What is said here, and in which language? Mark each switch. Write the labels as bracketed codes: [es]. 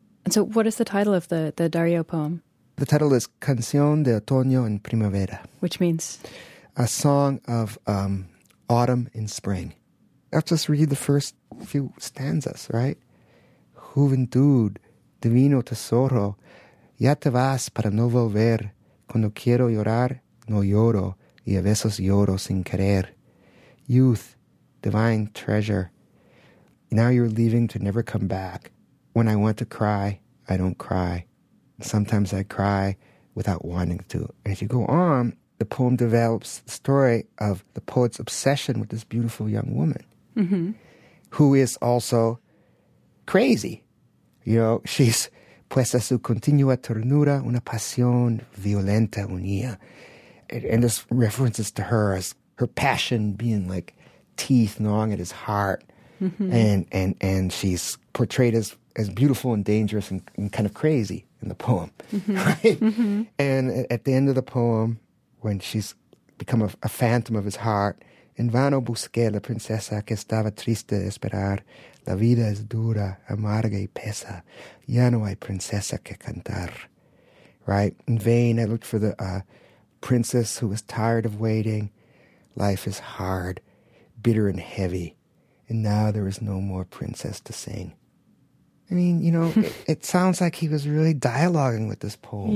[en] And so what is the title of the Darío poem? The title is Canción de Otoño en Primavera. Which means? A song of autumn in spring. I'll just read the first few stanzas, right? [es] Juventud, divino tesoro, ya te vas para no volver. Cuando quiero llorar, no lloro. Y a veces lloro sin querer. [en] Youth, divine treasure. Now you're leaving to never come back. When I want to cry, I don't cry. Sometimes I cry without wanting to. And if you go on, the poem develops the story of the poet's obsession with this beautiful young woman, mm-hmm. who is also crazy. She's [es] puesta su continua ternura, una pasión violenta unida. [en] And this references to her as her passion being like teeth gnawing at his heart. Mm-hmm. And she's portrayed as beautiful and dangerous and kind of crazy in the poem. Mm-hmm. Right? Mm-hmm. And at the end of the poem, when she's become a phantom of his heart, [es] en vano busqué la princesa que estaba triste de esperar. La vida es dura, amarga y pesa. Ya no hay princesa que cantar. [en] Right? In vain, I looked for the princess who was tired of waiting. Life is hard, bitter and heavy, and now there is no more princess to sing. I mean, it sounds like he was really dialoguing with this poem